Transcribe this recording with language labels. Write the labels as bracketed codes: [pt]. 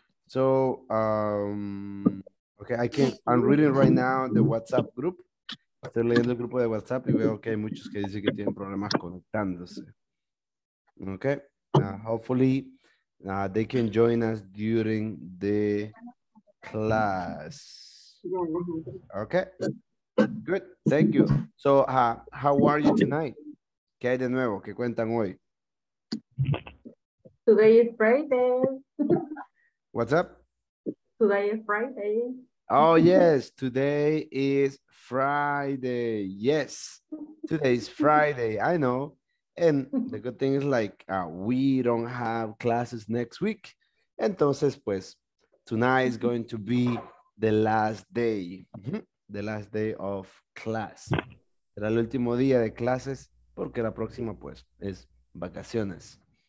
[en] Okay, I'm reading right now the WhatsApp group. [es] Estoy leyendo el grupo de WhatsApp y veo que hay muchos que dicen que tienen problemas conectándose. [en] Ok. Hopefully, they can join us during the class. Ok. Good. Thank you. So, how are you tonight? [es] ¿Qué hay de nuevo? ¿Qué cuentan hoy? [en] Today is Friday. What's up? Today is Friday. Oh, yes, today is Friday. Yes, today is Friday. I know. And the good thing is, like, we don't have classes next week. [es] Entonces, pues, [en] tonight is going to be the last day. The last day of class. [es] Era el último día de clases porque la próxima, pues, es vacaciones.